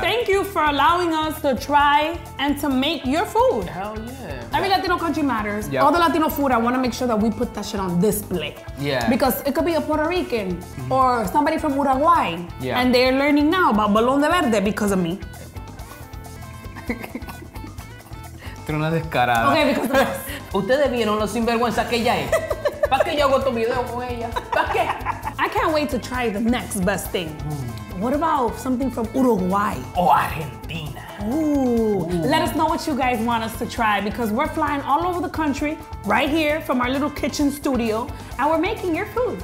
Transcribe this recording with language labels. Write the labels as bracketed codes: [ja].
[en] Thank you for allowing us to try and to make your food. Hell yeah. Every Latino country matters. Yep. All the Latino food, I want to make sure that we put that shit on display. Yeah. Because it could be a Puerto Rican or somebody from Uruguay. Yeah. And they're learning now about Balón de Verde because of me. [es] Tú una descarada. [en] Okay, because of us. [es] Ustedes vieron lo sinvergüenza que ella es. ¿Para qué yo hago tu video con ella? ¿Para qué? [en] I can't wait to try the next best thing. What about something from Uruguay? Or Argentina. Ooh. Let us know what you guys want us to try because we're flying all over the country right here from our little kitchen studio and we're making your food.